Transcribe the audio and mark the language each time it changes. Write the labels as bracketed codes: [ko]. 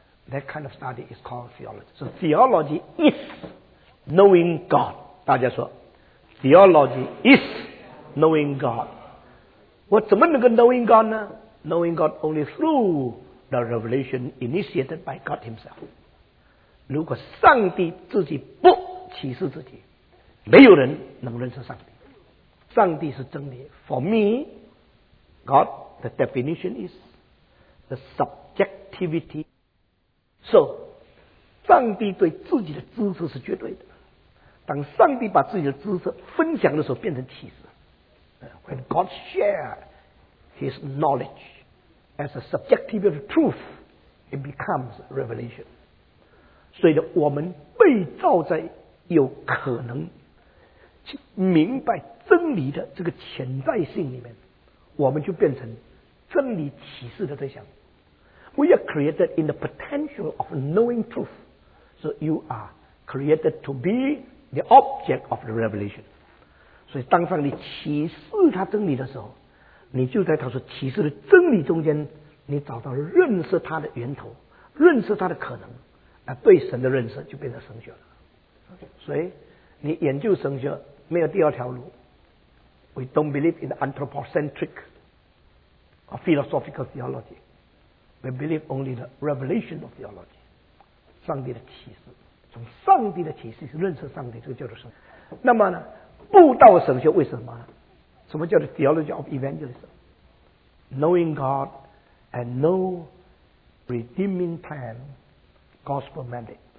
[en] That kind of study is called theology. So theology is knowing God. [zh] 大家说 [en] theology is knowing God. [zh] 我怎么能够 [en] knowing God [zh] 呢？ [en] Knowing God only through the revelation initiated by God himself. [zh] 如果上帝自己不启示自己，没有人能认识上帝。上帝是真理。 [en] For me, God, the definition is the subjectivity. [zh] So, 上帝对自己的知识是绝对的，当上帝把自己的知识分享的时候变成启示。 [en] When God shared his knowledge as a subjective truth, it becomes revelation. [zh] 所以呢，我们被造在有可能去明白真理的这个潜在性里面，我们就变成真理启示的对象。 [en] We are created in the potential of knowing truth. So you are created to be the object of the revelation. [zh] 所以当上帝启示他真理的时候，你就在他所启示的真理中间，你找到了认识他的源头，认识他的可能，而对神的认识就变成神学了。所以你研究神学没有第二条路。 [en] We don't believe in anthropocentric or philosophical theology. We believe only the revelation of theology. [zh] 上帝的启示，从上帝的启示认识上帝，这个叫做神学。那么呢，布道神学为什么呢？什么叫做 [en] theology of evangelism? Knowing God and know redeeming plan, gospel mandate.